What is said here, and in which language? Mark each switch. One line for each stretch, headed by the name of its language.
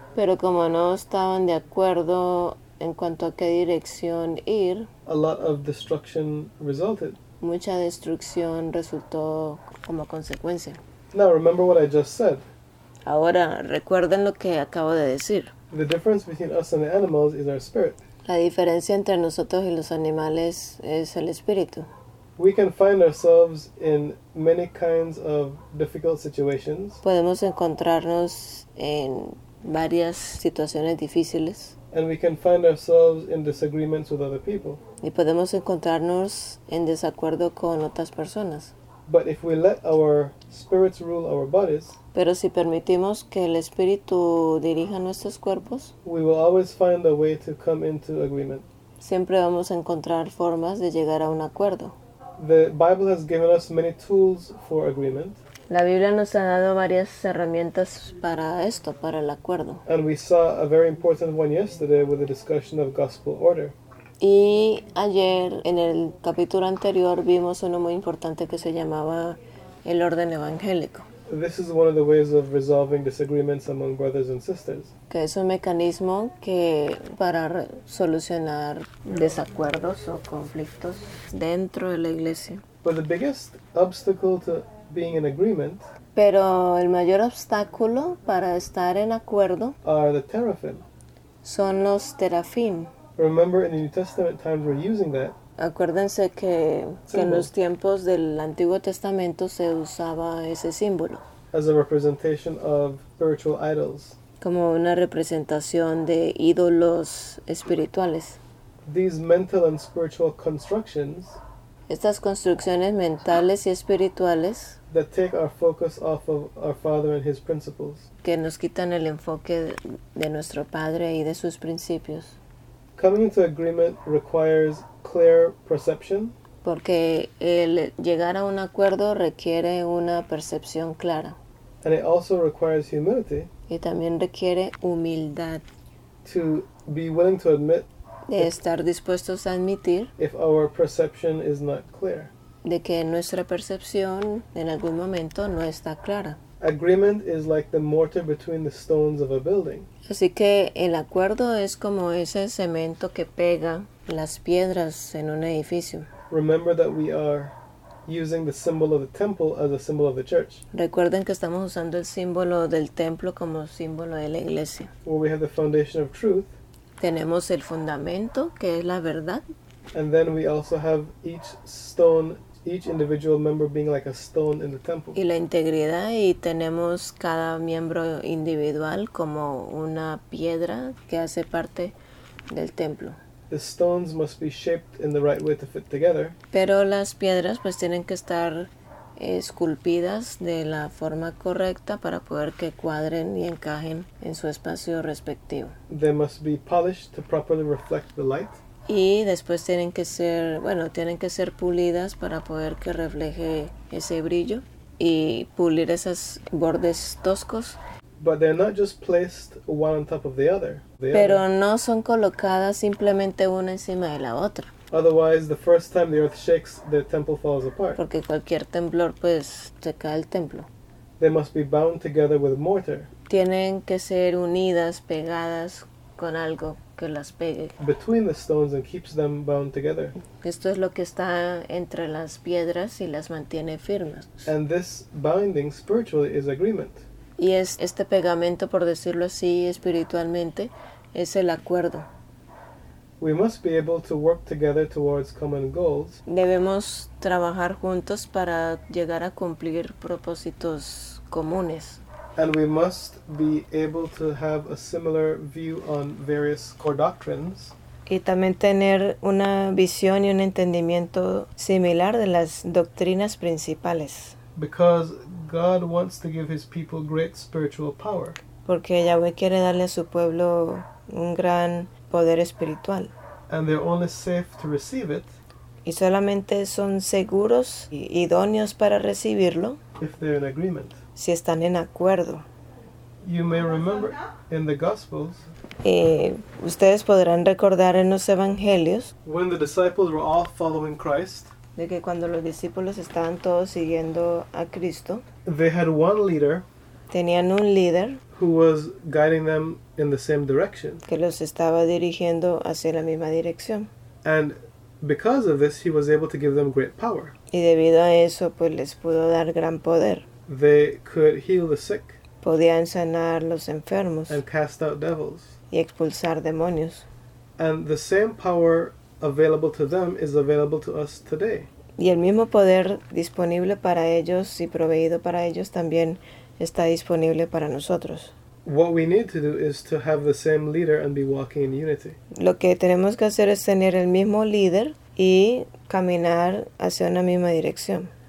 Spanish: pero como no estaban de acuerdo en cuanto a qué dirección ir,
English: a lot of destruction resulted.
Spanish: Mucha destrucción resultó como consecuencia.
English: Now remember what I just said.
Spanish: Ahora recuerden lo que acabo de decir.
English: The difference between us and the animals is our spirit.
Spanish: La diferencia entre nosotros y los animales es el espíritu.
English: We can find ourselves in many kinds of difficult situations.
Spanish: Podemos encontrarnos en varias situaciones difíciles.
English: And we can find ourselves in disagreements with other people.
Spanish: Y podemos encontrarnos en desacuerdo con otras personas.
English: But if we let our spirits rule our bodies,
Spanish: pero si permitimos que el espíritu dirija nuestros cuerpos,
English: we will always find a way to come into agreement.
Spanish: Siempre vamos a encontrar formas de llegar a un acuerdo.
English: The Bible has given us many tools for agreement.
Spanish: La Biblia nos ha dado varias herramientas para esto, para el acuerdo.
English: And we saw a very important one yesterday with the discussion of gospel order.
Spanish: Y ayer, en el capítulo anterior, vimos uno muy importante que se llamaba el orden evangélico.
English: This is one of the ways of resolving disagreements among brothers and sisters.
Spanish: Que es un mecanismo que para solucionar desacuerdos o conflictos dentro de la iglesia.
English: But the biggest obstacle to being in agreement.
Spanish: Pero el mayor obstáculo para estar en acuerdo.
English: Are the teraphim.
Spanish: Son los teraphim.
English: Remember, in the New Testament times, we're using that.
Spanish: Acuérdense que en los tiempos del Antiguo Testamento se usaba ese símbolo.
English: As a representation of spiritual idols.
Spanish: Como una representación de ídolos espirituales.
English: These mental and spiritual constructions.
Spanish: Estas construcciones mentales y espirituales.
English: That take our focus off of our Father and His principles.
Spanish: Que nos quitan el enfoque de nuestro Padre y de sus principios.
English: Coming into agreement requires clear perception.
Spanish: Porque el llegar a un acuerdo requiere una percepción clara.
English: And it also requires humility.
Spanish: Y también requiere humildad.
English: To be willing to admit.
Spanish: De estar dispuestos a admitir.
English: If our perception is not clear.
Spanish: De que nuestra percepción en algún momento no está clara.
English: Agreement is like the mortar between the stones of a building.
Spanish: Así que el acuerdo es como ese cemento que pega las piedras en un edificio.
English: Remember that we are using the symbol of the temple as a symbol of the church.
Spanish: Recuerden que estamos usando el símbolo del templo como símbolo de la iglesia.
English: Where we have the foundation of truth.
Spanish: Tenemos el fundamento, que es la verdad.
English: And then we also have each stone, each individual member being like a stone in the temple.
Spanish: Y la integridad, y tenemos cada miembro individual como una piedra que hace parte del templo.
English: The stones must be shaped in the right way to fit together.
Spanish: Pero las piedras pues tienen que estar esculpidas de la forma correcta para poder que cuadren y encajen en su espacio respectivo.
English: They must be polished to properly reflect the light.
Spanish: Y después tienen que ser, bueno, tienen que ser pulidas para poder que refleje ese brillo y pulir esos bordes toscos.
English: But they're not just placed one on top of the other.
Spanish: Pero no son colocadas simplemente una encima de la otra.
English: Otherwise, the first time the earth shakes, the temple falls apart.
Spanish: Porque cualquier temblor, pues, se cae el templo.
English: They must be bound together with mortar.
Spanish: Tienen que ser unidas, pegadas con algo que las pegue.
English: Between the stones and keeps them bound together.
Spanish: Esto es lo que está entre las piedras y las mantiene firmes.
English: And this binding spiritually is agreement.
Spanish: Y es este pegamento, por decirlo así, espiritualmente, es el acuerdo.
English: We must be able to work together towards common goals.
Spanish: Debemos trabajar juntos para llegar a cumplir propósitos comunes.
English: And we must be able to have a similar view on various core doctrines.
Spanish: Y también tener una visión y un entendimiento similar de las doctrinas principales.
English: Because God wants to give his people great spiritual power.
Spanish: Porque Yahweh quiere darle a su pueblo un gran poder espiritual.
English: And they're only safe to receive it.
Spanish: Y solamente son seguros y idóneos para recibirlo.
English: If they're in agreement.
Spanish: Si están en acuerdo.
English: You may remember in the Gospels.
Spanish: Ustedes podrán recordar en los Evangelios.
English: When the disciples were all following Christ.
Spanish: De que cuando los discípulos estaban todos siguiendo a Cristo.
English: They had one leader.
Spanish: Tenían un líder.
English: Who was guiding them in the same direction.
Spanish: Que los estaba dirigiendo hacia la misma dirección.
English: And because of this, he was able to give them great power.
Spanish: Y debido a eso, pues les pudo dar gran poder.
English: They could heal the sick.
Spanish: Podían sanar los enfermos.
English: And cast out devils.
Spanish: Y expulsar demonios.
English: And the same power available to them is available to us today.
Spanish: Y el mismo poder disponible para ellos y proveído para ellos también está disponible para nosotros.
English: What we need to do is to have the same leader and be walking in unity.
Spanish: Lo que tenemos que hacer es tener el mismo líder y caminar hacia una misma dirección.